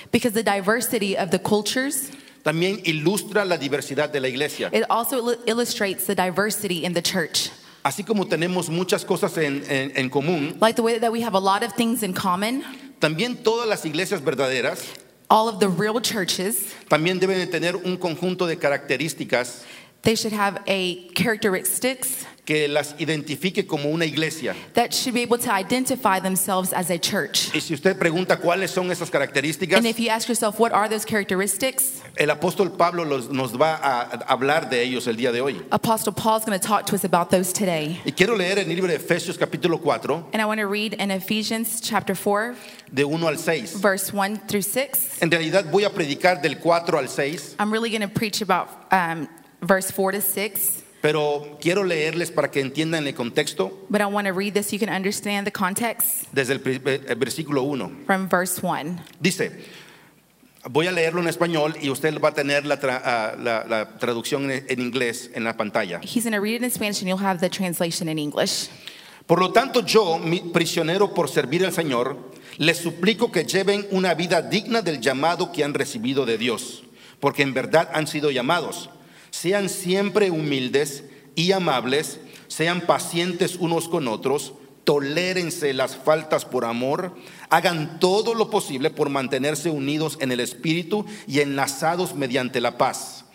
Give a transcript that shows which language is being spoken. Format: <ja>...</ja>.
<en>Because the diversity of the cultures.</en> <es>También ilustra la diversidad de la iglesia.</es> <en>It also illustrates the diversity in the church.</en> <es>Así como tenemos muchas cosas en común.</es> <en>Like the way that we have a lot of things in common.</en> <es>También todas las iglesias verdaderas.</es> <en>All of the real churches.</en> <es>También deben de tener un conjunto de características.</es> <en>They should have a characteristics.</en> <es>Que las identifique como una iglesia.</es> <en>That should be able to identify themselves as a church.</en> <es>Y si usted pregunta cuáles son esas características.</es> <en>And if you ask yourself what are those characteristics.</en> <es>El apóstol Pablo nos va a hablar de ellos el día de hoy.</es> <en>Apostle Paul is going to talk to us about those today.</en> <es>Y quiero leer en el libro de Efesios capítulo 4.</es> <en>And I want to read in Ephesians chapter 4.</en> <es>De 1 al 6.</es> <en>Verse 1 through 6.</en> <es>En realidad voy a predicar del 4 al 6.</es> <en>I'm really going to preach about verse 4 to 6.</en> <es>Pero quiero leerles para que entiendan el contexto.</es> <en>But I want to read this so you can understand the context.</en> <es>Desde el versículo 1.</es> <en>From verse 1.</en> <es>Dice, voy a leerlo en español y usted va a tener la traducción en inglés en la pantalla.</es> <en>He's going to read it in Spanish and you'll have the translation in English.</en> <es>Por lo tanto, yo, mi prisionero por servir al Señor, les suplico que lleven una vida digna del llamado que han recibido de Dios, porque en verdad han sido llamados. Sean siempre humildes y amables, sean pacientes unos con otros, tolérense las faltas por amor, hagan todo lo posible por mantenerse unidos en el espíritu y enlazados mediante la paz.</es>